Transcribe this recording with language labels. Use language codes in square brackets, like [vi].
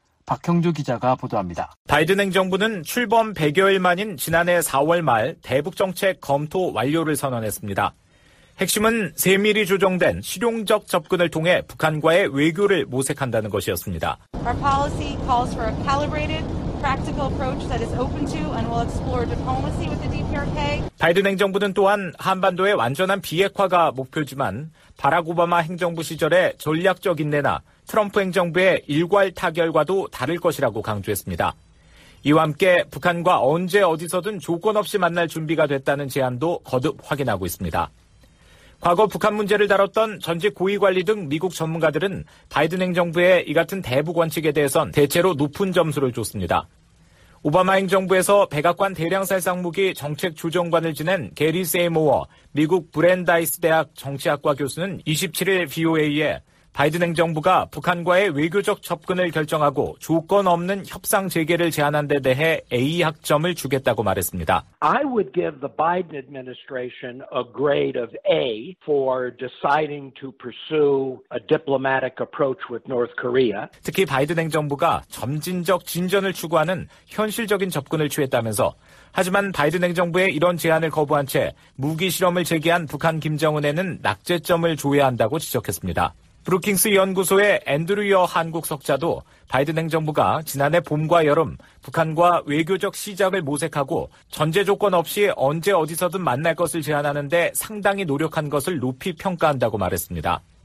[ko] 박형주 기자가 보도합니다. 바이든 행정부는 출범 100여일 만인 지난해 4월 말 대북정책 검토 완료를 선언했습니다. 핵심은 세밀히 조정된 실용적 접근을 통해 북한과의 외교를 모색한다는 것이었습니다. [en] Our policy calls for a calibrated practical approach that is open to and will explore diplomacy with the DPRK. [ko] 바이든 행정부는 또한 한반도의 완전한 비핵화가 목표지만 바락 오바마 행정부 시절의 전략적 인내나 트럼프 행정부의 일괄 타결과도 다를 것이라고 강조했습니다. 이와 함께 북한과 언제 어디서든 조건 없이 만날 준비가 됐다는 제안도 거듭 확인하고 있습니다. 과거 북한 문제를 다뤘던 전직 고위관리 등 미국 전문가들은 바이든 행정부의 이 같은 대북 원칙에 대해선 대체로 높은 점수를 줬습니다. 오바마 행정부에서 백악관 대량살상무기 정책 조정관을 지낸 게리 세이모어 미국 브랜다이스 대학 정치학과 교수는 27일 VOA에 바이든 행정부가 북한과의 외교적 접근을 결정하고 조건 없는 협상 재개를 제안한 데 대해 A학점을 주겠다고 말했습니다. [en] I would give the Biden administration a grade of A for deciding to pursue a diplomatic approach with North Korea. [ko] 특히 바이든 행정부가 점진적 진전을 추구하는 현실적인 접근을 취했다면서 하지만 바이든 행정부의 이런 제안을 거부한 채 무기 실험을 제기한 북한 김정은에는 낙제점을 줘야 한다고 지적했습니다. 브루킹스 연구소의 앤드류 여 한국 석좌도 바이든 행정부가 지난해 봄과 여름 북한과 외교적 시작을 모색하고 전제 조건 없이 언제 어디서든 만날 것을 제안하는 데 상당히 노력한 것을 높이 평가한다고 말했습니다.